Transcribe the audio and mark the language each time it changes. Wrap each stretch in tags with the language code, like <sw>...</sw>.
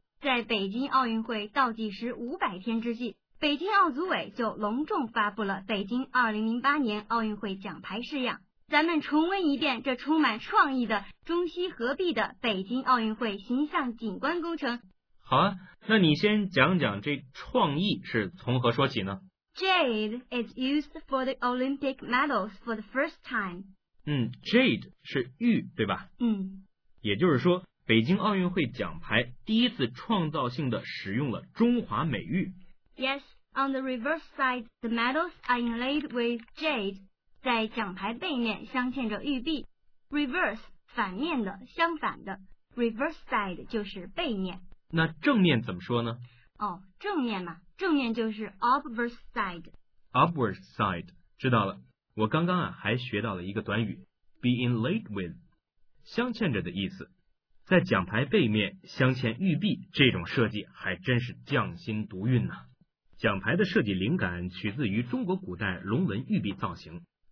<zh>在北京奥运会倒计时500天之际，北京奥组委就隆重发布了北京2008年奥运会奖牌式样，咱们重温一遍这充满创意的中西合璧的北京奥运会形象景观工程。好啊，那你先讲讲这创意是从何说起呢？</zh> <en>Jade is used for the Olympic medals for the first time.</en> <zh>嗯， Jade 是玉，对吧？嗯。也就是说，北京奥运会奖牌第一次创造性的使用了中华美玉。</zh> <en>Yes, on the reverse side, the medals are inlaid with jade.</en> <zh>在奖牌背面镶嵌着玉璧。Reverse, 反面的，相反的。 Reverse side 就是背面。那正面怎么说呢？哦，正面嘛，正面就是 obverse side。 obverse side， 知道了。我刚刚啊还学到了一个短语 ，be inlaid with， 镶嵌着的意思。在奖牌背面镶嵌玉璧，这种设计还真是匠心独运呢、啊。奖牌的设计灵感取自于中国古代龙纹玉璧造型。</zh>